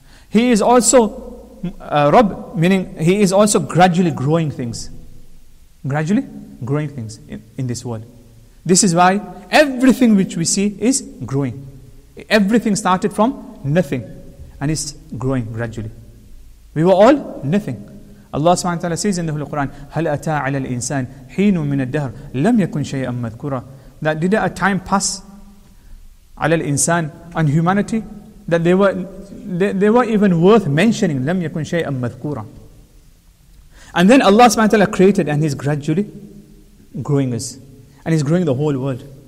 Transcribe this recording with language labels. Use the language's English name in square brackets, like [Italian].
[English] He is also Rabb, meaning He is also gradually growing things in this world. This is why everything which we see is growing. Everything started from nothing and is growing gradually. We were all nothing. Allah subhanahu wa ta'ala says in the Quran, [Arabic] هَلْ أَتَى عَلَى الْإِنسَانِ حِينُ مِنَ الدَّهْرِ لَمْ يَكُنْ شَيْئًا مَذْكُرًا. [English] That did a time pass [Arabic] عَلَى الْإِنسَانِ [English] on humanity that they were even worth mentioning. [Arabic] لَمْ يَكُنْ شَيْئًا مَذْكُورًا. [English] And then Allah subhanahu wa ta'ala created and He's gradually growing us. And He's growing the whole world.